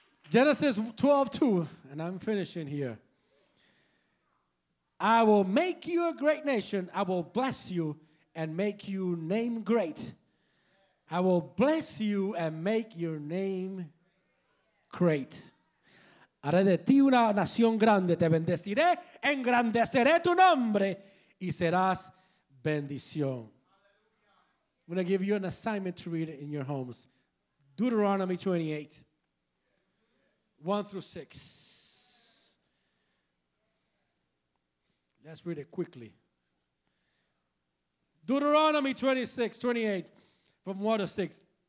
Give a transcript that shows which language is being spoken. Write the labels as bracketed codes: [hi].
[en] Genesis 12:2, and I'm finishing here. I will make you a great nation. I will bless you and make your name great. I will bless you and make your name great. [es] Haré de ti una nación grande. Te bendeciré, engrandeceré tu nombre y serás bendición. [en] I'm going to give you an assignment to read in your homes. Deuteronomy 28, 1 through 6. Let's read it quickly. Deuteronomy 26, 28. From 1 to 6.